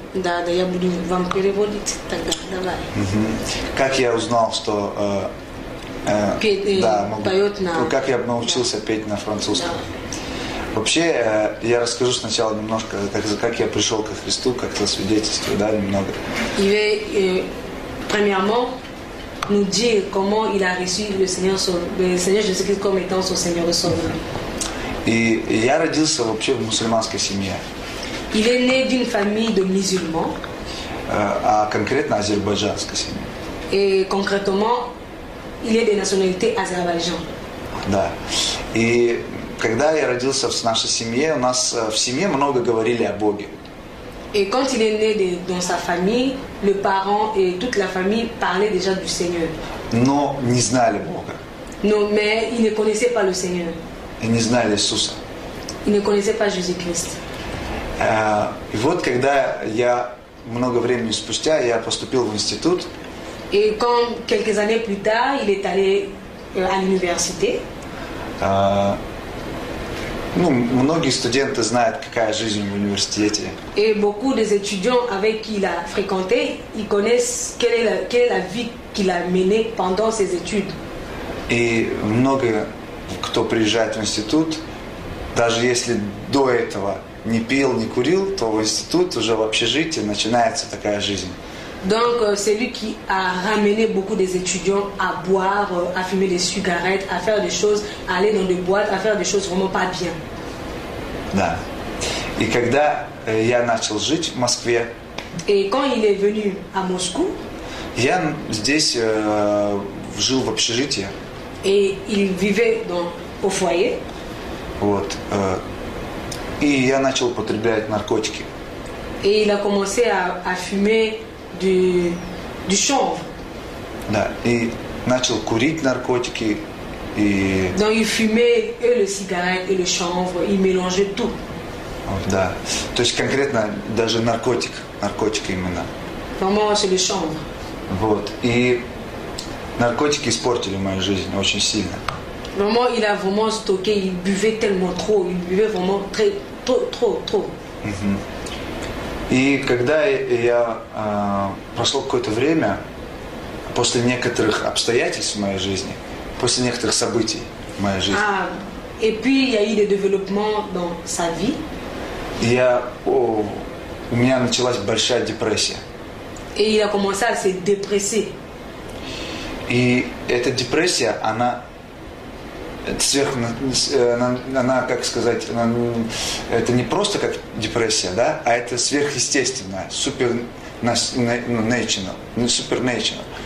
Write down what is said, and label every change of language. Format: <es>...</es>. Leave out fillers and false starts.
<ru>Да, да, я буду вам переводить тогда. Давай. Как я узнал, что поет на... Как я научился петь на французском? Вообще, я расскажу сначала немножко, как я пришел ко Христу, как это свидетельство, да, немного.</ru> <fr>Il veut premièrement nous dire comment il a reçu le Seigneur, Jésus-Christ comme étant son Seigneur et Sauveur.</fr> <ru>И я родился вообще в мусульманской семье.</ru> <fr>Il est né d'une famille de musulmans.</fr> <ru>А конкретно азербайджанской семье.</ru> <fr>Et concrètement, il est de nationalité azerbaïdjan.</fr> <ru>Да. И когда я родился в нашей семье, у нас в семье много говорили о Боге.</ru> <fr>Et quand il est né dans sa famille, le parent et toute la famille parlaient déjà du Seigneur.</fr> <ru>Но не знали Бога.</ru> <fr>Non, mais ils ne connaissaient pas le Seigneur.</fr> <ru>Ils не знали Иисуса.</ru> <fr>Ils ne connaissaient pas Jésus-Christ.</fr> <ru>И вот когда я много времени спустя я поступил в институт.</ru> <fr>Et quand quelques années plus tard, il est allé à l'université.</fr> <ru>Ну, многие студенты знают, какая жизнь в университете.</ru> <fr>И beaucoup des étudiants avec qui il a fréquenté, ils connaissent quelle est la vie qu'il a menée pendant ses études.</fr> <ru>И много кто приезжает в институт, даже если до этого не пил, не курил, то в институт уже в общежитии начинается такая жизнь.</ru> <fr>Donc c'est lui qui a ramené beaucoup des étudiants à boire, à fumer des cigarettes, à faire des choses, à aller dans des boîtes, à faire des choses vraiment pas bien.</fr> <ru>Да. И когда я начал жить в Москве.</ru> <fr>Et quand il est venu à Moscou.</fr> <ru>Я здесь жил в общежитии.</ru> <fr>Et il vivait dans au foyer.</fr> <ru>Вот. И я начал употреблять наркотики.</ru> <fr>Et il a commencé à fumer du chanvre.</fr> <ru>Да, и начал курить наркотики и.</ru> <fr>Donc il fumait et le cigarette et le chanvre, il mélangeait tout.</fr> <ru>Да, то есть конкретно даже наркотики именно.</ru> <fr>Vraiment, c'est le chanvre.</fr> <ru>Вот, и наркотики испортили мою жизнь очень сильно.</ru> <fr>Vraiment, il a vraiment stocké, il buvait tellement trop, il buvait vraiment très trop.</fr> <ru>И когда я прошло какое-то время после некоторых обстоятельств в моей жизни, после некоторых событий в моей жизни.</ru> <fr>Et puis il y a eu des développements dans sa vie.</fr> <ru>У меня началась большая депрессия.</ru> <fr>Et il a commencé à se dépresser.</fr> <ru>И эта депрессия, она сверх, она, как сказать, она, это не просто как депрессия, да, а это сверхъестественное, супернатурал.</ru>